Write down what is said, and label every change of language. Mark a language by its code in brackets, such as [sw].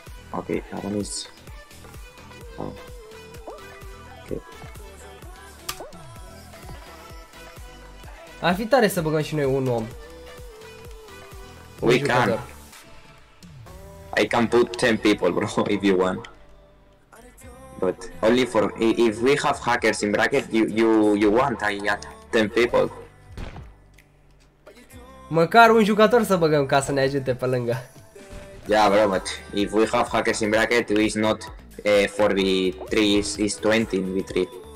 [en] Ok, Aaron is... Oh. Okay. [ro] Ar fi tare să băgăm și noi un om. [en] We can. I can put 10 people, bro, if you want. But only for if we have hackers in bracket, you want I got 10 people. [ro] Măcar un jucător să băgăm ca să ne ajute pe lângă. [en] Yeah, bro, but if we have hackers in bracket, it's not 4v3, it's 20v3.